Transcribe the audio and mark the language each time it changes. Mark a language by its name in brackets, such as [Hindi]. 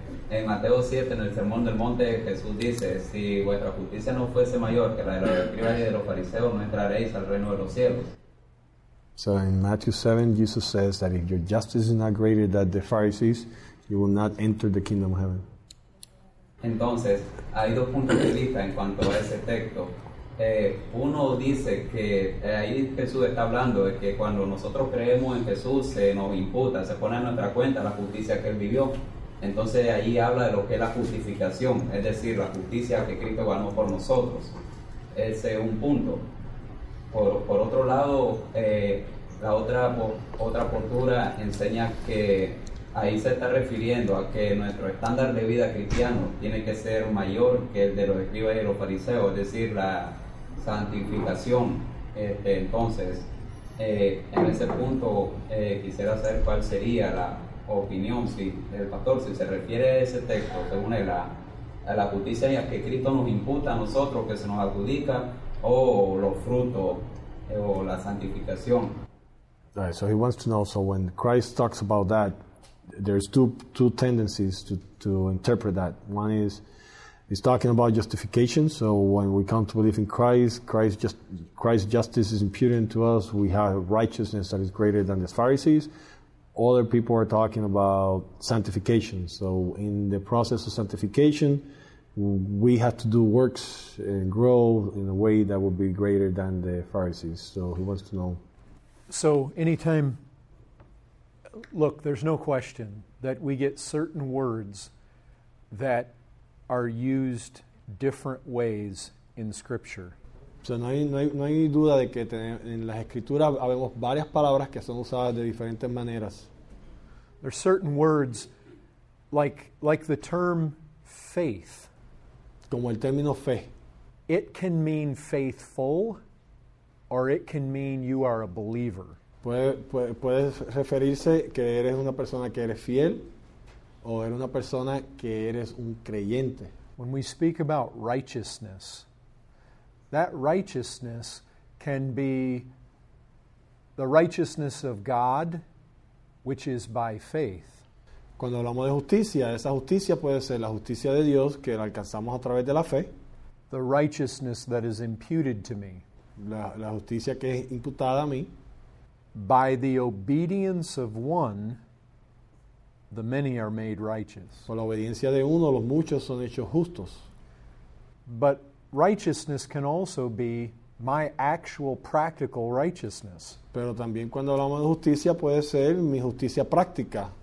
[Spanish] En Mateo 7, en el Sermón del Monte, Jesús dice: si vuestra justicia no fuese mayor que la de los escribas y de los fariseos, no entraréis al reino de los cielos. [English] So in Matthew 7, Jesus says that if your justice is not greater than the Pharisees, you will not enter the kingdom of heaven. [Spanish] Entonces, hay dos puntos de vista en cuanto a ese texto. Uno dice que ahí Jesús está hablando de que cuando nosotros creemos en Jesús, se nos imputa, se pone en nuestra cuenta la justicia que Él vivió. Entonces, ahí habla de lo que es la justificación, es decir, la justicia que Cristo ganó por nosotros. Ese es un punto. Por otro lado, la otra postura enseña que ahí se está refiriendo a que nuestro estándar de vida cristiano tiene que ser mayor que el de los escribas y los fariseos, es decir, la santificación. Entonces, en ese punto quisiera saber cuál sería la opinión del pastor, si se refiere a ese texto, según él, a la justicia y a que Cristo nos imputa a nosotros, que se nos adjudica, o los frutos, o la santificación. [English] Right, so he wants to know, so when Christ talks about that, there's two tendencies to interpret that. One is, he's talking about justification. So when we come to believe in Christ's justice is imputed to us. We have righteousness that is greater than the Pharisees. Other people are talking about sanctification. So in the process of sanctification, we have to do works and grow in a way that would be greater than the Pharisees. So he wants to know. So anytime, look, there's no question that we get certain words that are used different ways in Scripture. [Spanish] So no hay duda de que en las escrituras habemos varias palabras que son usadas de diferentes maneras. [English] There are certain words, like the term faith. [Spanish] Como el término fe. [English] It can mean faithful, or it can mean you are a believer. [Spanish] Puede referirse que eres una persona que eres fiel, o eres una persona que eres un creyente. [English] When we speak about righteousness, that righteousness can be the righteousness of God, which is by faith. [Spanish] Cuando hablamos de justicia, esa justicia puede ser la justicia de Dios que la alcanzamos a través de la fe. [English] The righteousness that is imputed to me. [Spanish] La justicia que es imputada a mí. [English] By the obedience of one, the many are made righteous. [Spanish] Por la obediencia de uno, los muchos son hechos justos. [English] But righteousness can also be my actual practical righteousness. [Spanish] Pero también cuando hablamos de justicia puede ser mi justicia práctica.